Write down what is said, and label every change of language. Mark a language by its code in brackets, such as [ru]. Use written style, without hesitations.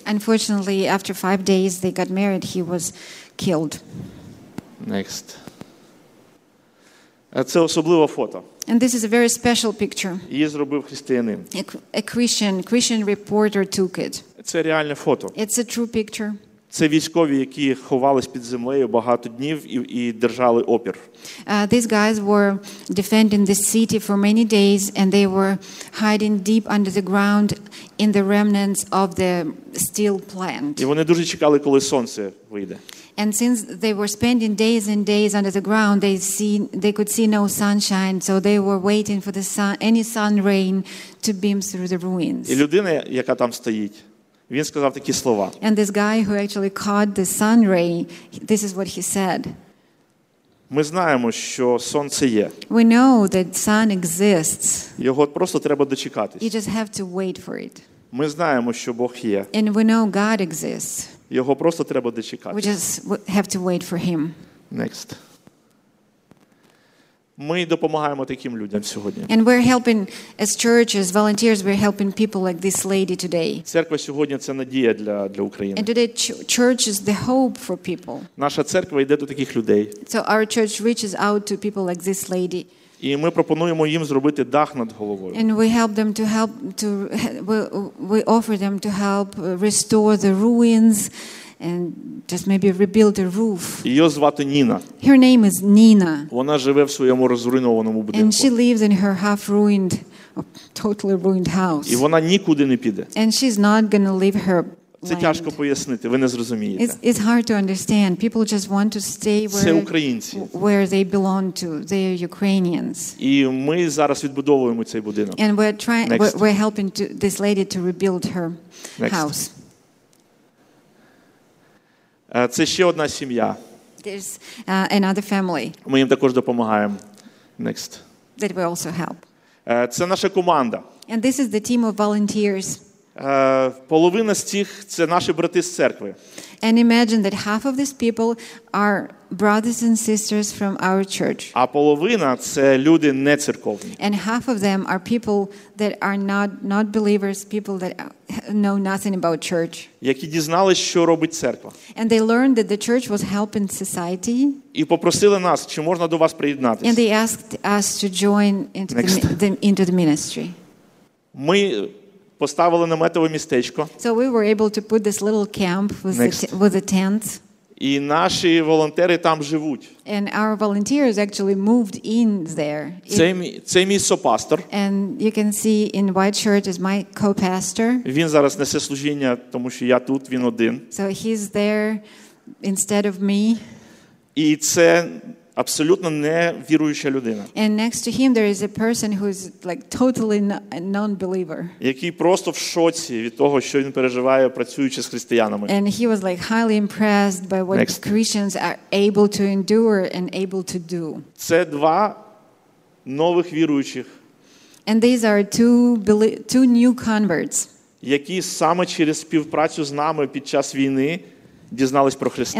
[en] Unfortunately, after 5 days they got married, he was killed. Next. [uk] Це особливе фото. [en] And this is a very special picture. [uk] Її зробив християнин. [en] A Christian reporter took it. [uk] Це реальне фото. [en] It's a true picture. [uk] Це військові, які ховались під землею багато днів і держали опір. [en] These guys were defending the city for many days and they were hiding deep under the ground in the remnants of the steel plant. [uk] І вони дуже чекали, коли сонце вийде. [en] And since they were spending days and days under the ground, they could see no sunshine, so they were waiting for any sun rain to beam through the ruins. [uk] І людина, яка там стоїть, він сказав такі слова. [en] And this guy who actually caught the sun ray, this is what he said. [uk] Ми знаємо, що сонце є. [en] We know that sun exists. [uk] Його просто треба дочекатись. [en] You just have to wait for it. [uk] Ми знаємо, що Бог є. [en] And we know God exists. [uk] Його просто треба дочекатись. [en] We just have to wait for him. Next. [uk] Ми допомагаємо таким людям сьогодні. [en] And we're helping as churches, volunteers, we're helping people like this lady today. [uk] Церква сьогодні це надія для України. [en] And today church is the hope for people. [uk] Наша церква йде до таких людей. [en] So our church reaches out to people like this lady. [uk] І ми пропонуємо їм зробити дах над головою. [en] And we help them to help to we offer them to help restore the ruins and just maybe rebuild the roof. [uk] Її звати Ніна. [en] Her name is Nina. [uk] Вона живе в своєму розруйнованому будинку. [en] And she lives in her half ruined, totally ruined house. [uk] І вона нікуди не піде. [en] And she's not going to leave her. [uk] Це тяжко пояснити, ви не зрозумієте. [en] It's hard to understand. People just want to stay where they belong to. They are Ukrainians. [uk] І ми зараз відбудовуємо цей будинок. [en] And we're helping this lady to rebuild her Next. House. [uk] Це ще одна сім'я. [en] There's another family. [uk] Ми їм також допомагаємо. [en] Next. That we also help. [uk] Це наша команда. [en] And this is the team of volunteers. [uk] Половина з цих це наші брати з церкви. [en] And imagine that half of these people are brothers and sisters from our church. [uk] А половина це люди не церковні. [en] And half of them are people that are not believers, people that know nothing about church. [uk] Які дізналися, що робить церква. [en] And they learned that the church was helping society. [uk] І попросили нас, чи можна до вас приєднатися. [en] And they asked us to join into the ministry. [uk] Ми поставили наметове містечко. [en] So we were able to put this little camp with a tent. [uk] І наші волонтери там живуть. [en] And our volunteers actually moved in there. [uk] Це мій сопастор. [en] And you can see in white shirt is my co-pastor. [uk] Він зараз несе служіння, тому що я тут, він один. [en] So he's there instead of me. [uk] І це абсолютно невіруюча людина. [en] And next to him there is a person who is like totally non-believer. [uk] Який просто в шоці від того, що він переживає, працюючи з християнами. [en] And he was like highly impressed by what next. Christians are able to endure and able to do. [uk] Це два нових віруючих. [en] And these are two new converts. [uk] які саме через співпрацю з нами під час війни дізнались про Христа.